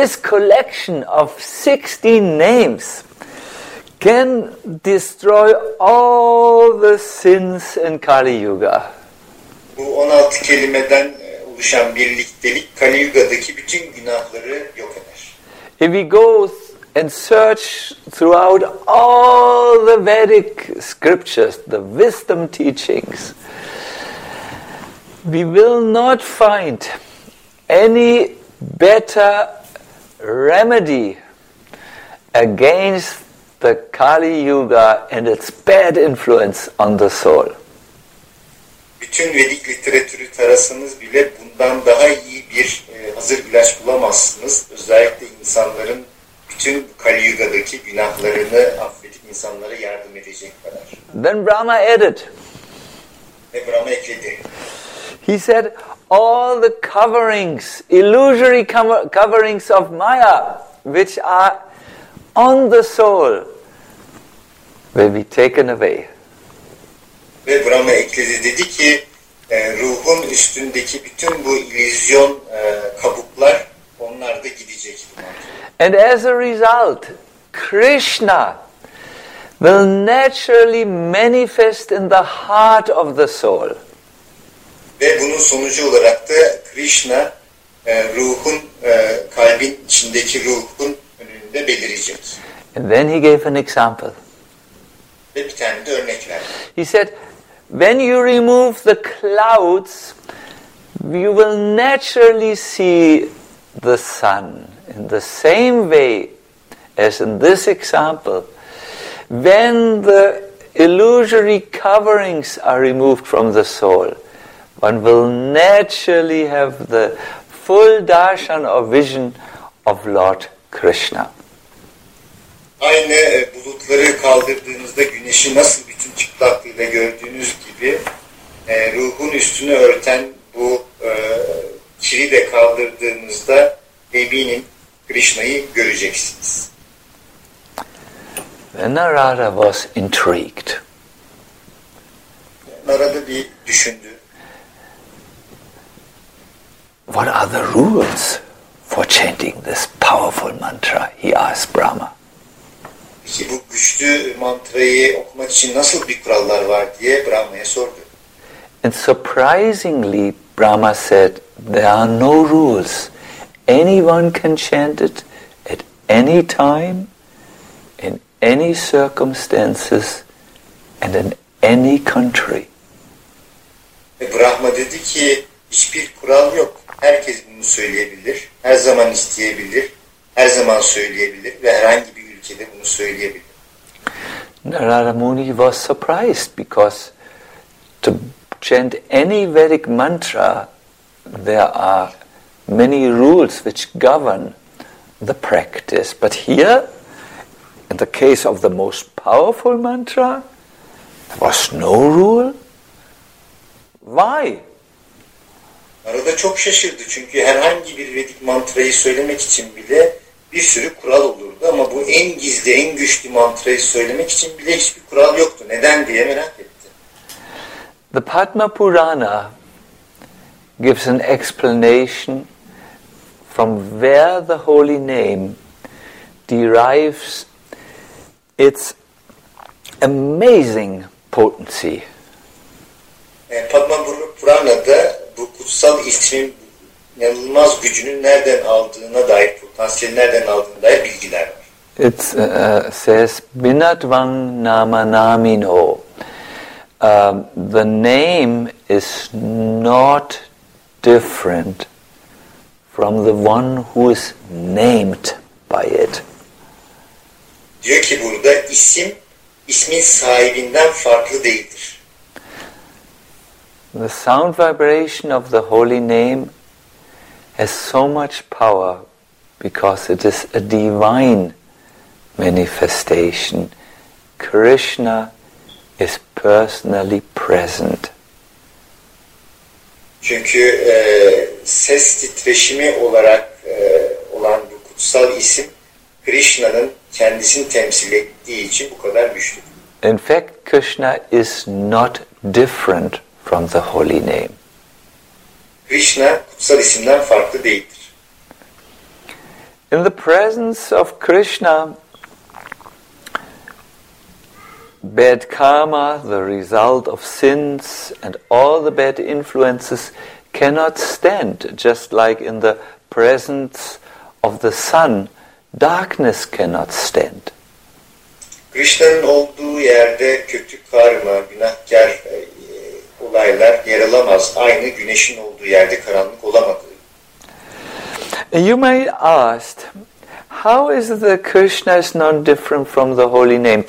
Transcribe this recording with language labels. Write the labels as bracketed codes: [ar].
[en] This collection of 16 names can destroy all the sins in Kali Yuga. [tr] Bu 16 kelimeden oluşan birliktelik Kali Yuga'daki bütün günahları yok eder. [en] If we go and search throughout all the Vedic scriptures, the wisdom teachings, we will not find any better remedy against the Kali Yuga and its bad influence on the soul. [tr] Bütün Vedik literatürü tarasanız bile bundan daha iyi bir hazır ilaç bulamazsınız. Özellikle insanların bütün Kali Yuga'daki günahlarını affedip insanlara yardım edecek kadar. [en] Then Brahma added. [tr] Ve Brahma ekledi. [en] He said, all the coverings, illusory coverings of Maya, which are on the soul, will be taken away. [tr] Ve Brahma ekledi, dedi ki, ruhun üstündeki bütün bu illüzyon kabuklar, onlar da gidecek. [en] And as a result, Krishna will naturally manifest in the heart of the soul. [tr] Ve bunun sonucu olarak da Krishna ruhun kalbin içindeki ruhun önünde belirecek. [en] And then he gave an example. [tr] Ve bir tane de örnek verdi. [en] He said, when you remove the clouds, you will naturally see the sun. In the same way as in this example, when the illusory coverings are removed from the soul, one will naturally have the full darshan or vision of Lord Krishna. [tr] Aynı bulutları kaldırdığınızda güneşi nasıl bütün çıplaklığıyla gördüğünüz gibi, ruhun üstünü örten bu çili de kaldırdığınızda devinin Krishna'yı göreceksiniz. [en] Narada was intrigued. [tr] Narada bir düşündü. [en] What are the rules for chanting this powerful mantra? He asked Brahma. [tr] Peki bu güçlü mantrayı okumak için nasıl bir kurallar var diye Brahma'ya sordu. [en] And surprisingly, Brahma said, there are no rules. Anyone can chant it at any time, in any circumstances, and in any country. [tr] Brahma dedi ki, hiçbir kural yok. Herkes bunu söyleyebilir, her zaman isteyebilir, her zaman söyleyebilir ve herhangi bir ülkede bunu söyleyebilir. [en] Narada Muni was surprised because to chant any Vedic mantra, there are many rules which govern the practice. But here, in the case of the most powerful mantra, there was no rule. Why? [tr] Arada çok şaşırdı çünkü herhangi bir Vedik mantrayı söylemek için bile bir sürü kural olurdu ama bu en gizli, en güçlü mantrayı söylemek için bile hiçbir kural yoktu. Neden diye merak etti. [en] The Padma Purana gives an explanation from where the holy name derives its amazing potency. [tr] Padma Purana'da bu kutsal ismin inanılmaz gücünü nereden aldığına dair, potansiyeli nereden aldığına dair bilgiler var. [en] It says, [sa] Binatvang Namanamino. [en] The name is not different from the one who is named by it. [tr] Diyor ki burada isim, ismin sahibinden farklı değildir. [en] The sound vibration of the holy name has so much power because it is a divine manifestation. Krishna is personally present. [tr] Çünkü ses titreşimi olarak olan bu kutsal isim Krishna'nın kendisini temsil ettiği için bu kadar güçlü. [en] In fact, Krishna is not different from the holy name. [tr] Krishna kutsal isimden farklı değildir. [en] In the presence of Krishna, bad karma, the result of sins, and all the bad influences cannot stand. Just like in the presence of the sun, darkness cannot stand. [tr] Krishna'nın olduğu yerde kötü karma, günahkar olaylar yer alamaz. Aynı güneşin olduğu yerde karanlık olamadı. [en] You may ask, how is it that Krishna is not different from the holy name?